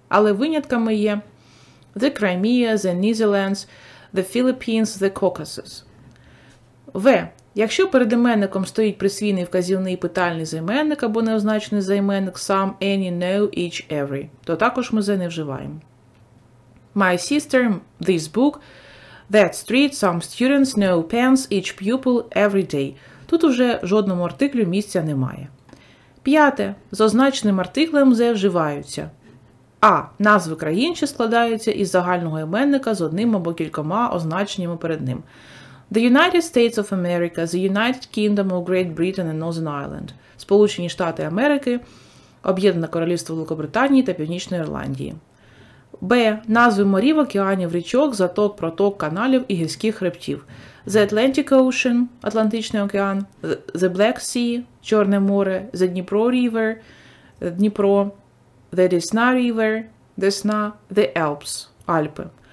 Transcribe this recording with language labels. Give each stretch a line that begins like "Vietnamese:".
Ukrainian: Але винятками є the Crimea, the Netherlands, the Philippines, the Caucasus. В. Якщо перед іменником стоїть присвійний вказівний питальний займенник або неозначений займенник
English: some, any, no, each, every,
Ukrainian: то також ми the не вживаємо.
English: My sister, this book, that street, some students, no pens, each pupil, every day.
Ukrainian: Тут уже жодному артиклю місця немає. П'яте. З означеним артиклем «the» вживаються. А. Назви країн, що складаються із загального іменника з одним або кількома означеннями перед ним.
English: The United States of America, the United Kingdom of Great Britain and Northern Ireland.
Ukrainian: Сполучені Штати Америки, Об'єднане Королівство Великобританії та Північної Ірландії. Б. Назви морів, океанів, річок, заток, проток, каналів і гірських хребтів.
English: The Atlantic Ocean – Атлантичний океан, The Black Sea – Чорне море, The Dnipro River – Дніпро, The Desna River – Десна, The Alps – Альпи.